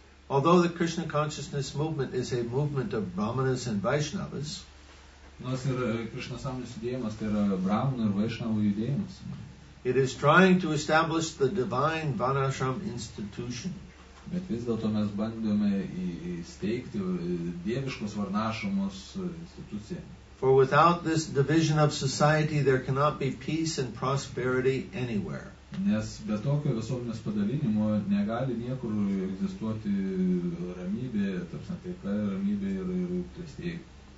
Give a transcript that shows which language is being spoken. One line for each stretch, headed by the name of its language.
English: Although the Krishna consciousness movement is a movement of Brahmanas and Vaishnavas,
Lithuanian: nors ir Krishna sąmonės judėjimas, tai yra Brahmanų ir Vaishnavų judėjimas,
English: it is trying to establish the divine Varnashram institution.
Lithuanian: Bet vis dėlto mes bandome įsteigti dieviškos Varnashramos instituciją.
English: For without this division of society, there cannot be peace and prosperity anywhere.
Lithuanian: Nes be tokio visuomenės padalinimo negali niekur egzistuoti ramybė, taika, ramybė ir klestėjimas.